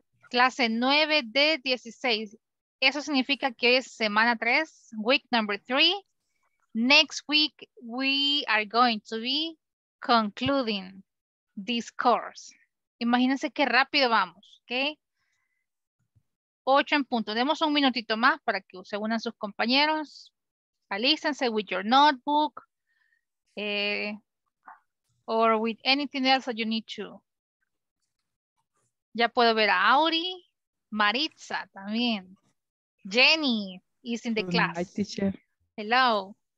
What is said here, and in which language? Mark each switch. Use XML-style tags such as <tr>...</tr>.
<es>Clase 9 de 16. Eso significa que es semana 3,</es> <en>week number 3. Next week, we are going to be concluding this course.</en> <es>Imagínense qué rápido vamos, ¿okay? 8 en punto. Demos un minutito más para que se unan sus compañeros. Alístense</es> <en>with your notebook or with anything else that you need to.</en> <es>Ya puedo ver a Auri, Maritza también.</es> <en>Jenny is in the class. Hi, teacher. Hello.</en>